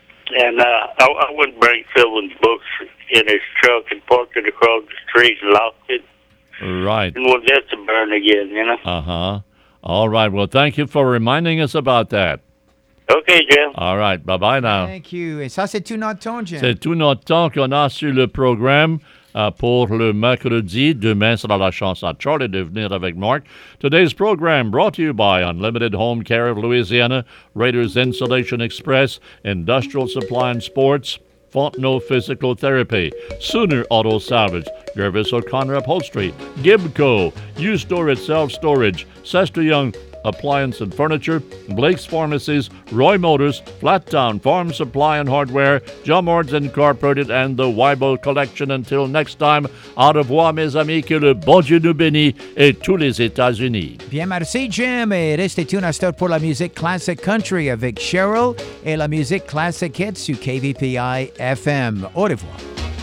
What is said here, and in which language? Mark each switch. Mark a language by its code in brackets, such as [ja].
[en] Yep. And I wouldn't bring Sylvan's books in his truck and park it across the street and lock it. Right. And we'll get to burn again, you know? Uh-huh. All right. Well, thank you for reminding us about that. Okay, Jim. All right. Bye-bye now. Thank you. [fr] Et ça, c'est tout notre temps, Jim. C'est tout notre temps qu'on a sur le programme pour le mercredi. Demain sera la chance à Charlie de venir avec Mark. [en] Today's program brought to you by Unlimited Home Care of Louisiana, Raiders Insulation Express, Industrial Supply and Sports, Fontenot Physical Therapy, Sooner Auto Salvage, Gervis O'Connor Upholstery, Gibco, U Store Itself Storage, Sester Young Appliance and Furniture, Blake's Pharmacies, Roy Motors, Flat Town Farm Supply and Hardware, Jumards Incorporated, and the Weibo Collection. Until next time, [fr] au revoir, mes amis, que le bon Dieu nous bénisse et tous les États-Unis. Bien, merci, Jim. Et restez tunés à start pour la musique classic country avec Cheryl et la musique classic hits sur KVPI-FM. Au revoir.